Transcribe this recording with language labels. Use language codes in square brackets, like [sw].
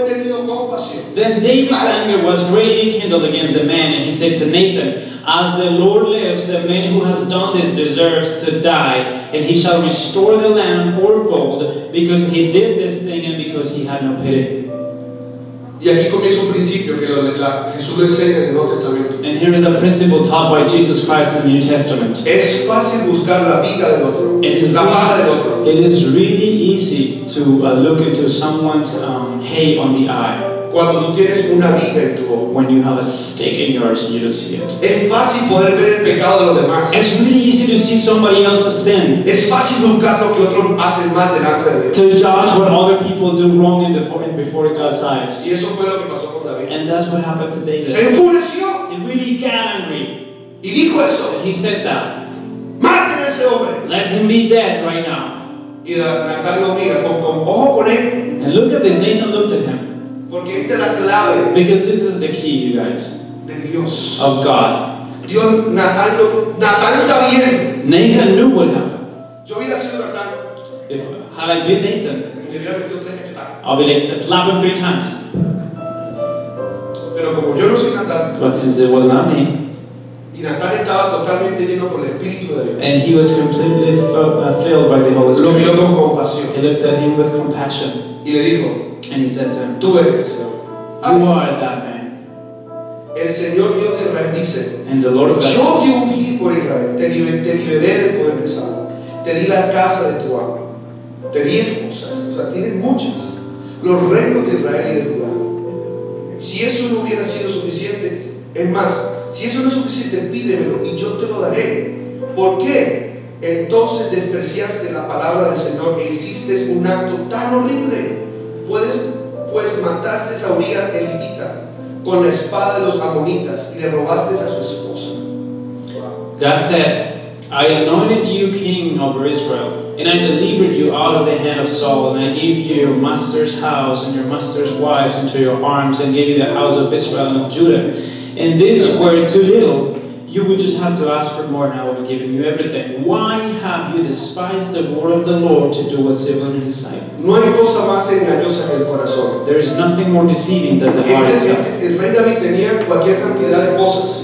[en] Then David's anger was greatly kindled against the man, and he said to Nathan, as the Lord lives, the man who has done this deserves to die, and he shall restore the land fourfold, because he did this thing, and because he had no pity. [es] Y aquí comienza un principio que Jesús lo enseña en el Nuevo Testamento. [en] And here is a principle taught by Jesus Christ in the New Testament. [es] Es fácil buscar la viga del otro, la paja del otro. [en] It is really easy to look into someone's hay on the eye. [es] Cuando tú tienes una viga en tu ojo. [en] When you have a stake in yours and you don't see it. [es] Es fácil poder ver el pecado de los demás. [en] It's really easy to see somebody else's sin. [es] Es fácil juzgar lo que otros hacen mal delante de Dios. [en] To judge what other people do wrong in before God's eyes. [es] Y eso fue lo que pasó con David. [en] And that's what happened to David. [es] Se enfureció. [en] He really got angry. [es] Y dijo eso. [en] He said that. [es] Maten a ese hombre. [en] Let him be dead right now. [es] Y Natán lo mira con ojo por él. [en] And look at this. Nathan looked at him. [es] Porque esta es la clave. [en] Because this is the key, you guys. [es] De Dios. [en] Of God. [es] Dios, Natán está bien. [en] Nathan knew what happened. [es] Yo hubiera sido Natán. [en] If had I been Nathan, [es] le hubiera metido tres cachetadas. [en] I'll be like, to slap him three times. [es] Pero como yo no soy Natán. [en] But since it was not me. [es] Y Natán estaba totalmente lleno por el Espíritu de Dios. [en] And he was completely filled by the Holy Spirit. [es] Lo miró con compasión. [en] He looked at him with compassion. [es] Y le dijo. [en] And he said to him, [es] tú eres ese. [en] You are that man. [es] El Señor Dios de Israel dice, [en] and the Lord of God [es] yo [en] says, [es] te ungí por Israel, te liberé del poder de Saúl, te di la casa de tu amo, te di esposas, o sea, tienes muchas, los reinos de Israel y de Judá. Si eso no hubiera sido suficiente, es más, si eso no es suficiente, pídemelo y yo te lo daré. ¿Por qué? Entonces despreciaste la palabra del Señor e hiciste un acto tan horrible. Pues mataste a Urías el hitita con la espada de los amonitas y le robaste a su esposa. [en] God said, I anointed you king over Israel, and I delivered you out of the hand of Saul, and I gave you your master's house and your master's wives into your arms, and gave you the house of Israel and of Judah. And this were too little. You would just have to ask for more, and I would have given you everything. Why have you despised the word of the Lord to do what's evil in His sight? [es] No hay cosa más engañosa en el corazón. [en] There is nothing more deceiving than the heart itself. [es] El rey David tenía cualquier cantidad de esposas.